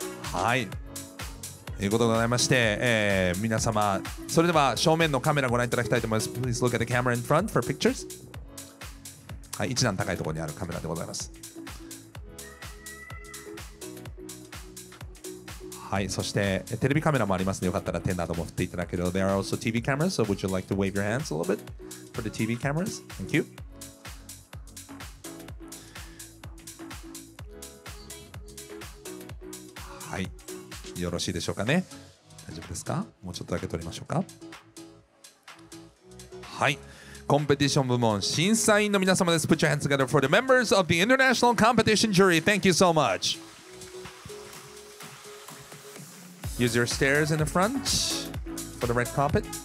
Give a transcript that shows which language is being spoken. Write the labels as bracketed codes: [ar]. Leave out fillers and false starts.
[ja] はい、ということでございまして、皆様、それでは正面のカメラをご覧いただきたいと思います。 [en] Please look at the camera in front for pictures。 [ja] はい、一段高いところにあるカメラでございます。はい、そしてテレビカメラもありますので、よかったら手なども振っていただけると。 [en] There are also TV cameras, so would you like to wave your hands a little bit for the TV cameras? Thank you. [ja] はい、よろしいでしょうかね。大丈夫ですか。もうちょっとだけ撮りましょうか。はい、コンペティション部門審査員の皆様です。 [en] Put your hands together for the members of the International Competition Jury. Thank you so much. Use your stairs in the front for the red carpet.